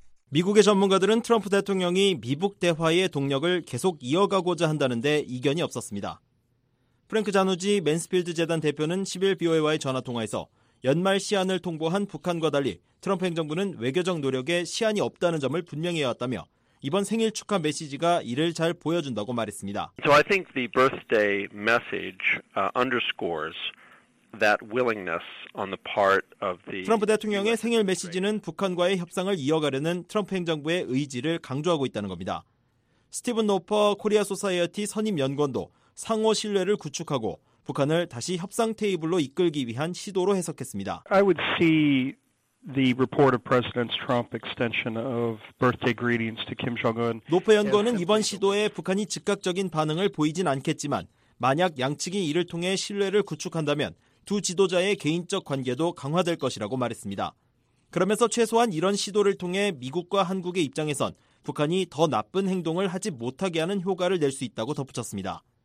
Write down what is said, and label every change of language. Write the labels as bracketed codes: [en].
[ko] 미국의 전문가들은 트럼프 대통령이 미북 대화의 동력을 계속 이어가고자 한다는데 이견이 없었습니다. 프랭크 자누지 맨스필드 재단 대표는 10일 BOA와의 전화통화에서 연말 시한을 통보한 북한과 달리 트럼프 행정부는 외교적 노력에 시한이 없다는 점을 분명히 해왔다며 이번 생일 축하 메시지가 이를 잘 보여준다고 말했습니다. [en] So I think the birthday message underscores that willingness on the part of the [ko] 트럼프 대통령의 생일 메시지는 북한과의 협상을 이어가려는 트럼프 행정부의 의지를 강조하고 있다는 겁니다. 스티븐 노퍼 코리아 소사이어티 선임 연관도 상호 신뢰를 구축하고 북한을 다시 협상 테이블로 이끌기 위한 시도로 해석했습니다. [en] I would see the report of President Trump extension of birthday greetings to Kim Jong-un. [ko] 노퍼 연구원은 이번 시도에 북한이 즉각적인 반응을 보이진 않겠지만 만약 양측이 이를 통해 신뢰를 구축한다면 두 지도자의 개인적 관계도 강화될 것이라고 말했습니다. 그러면서 최소한 이런 시도를 통해 미국과 한국의 입장에선 북한이 더 나쁜 행동을 하지 못하게 하는 효과를 낼 수 있다고 덧붙였습니다.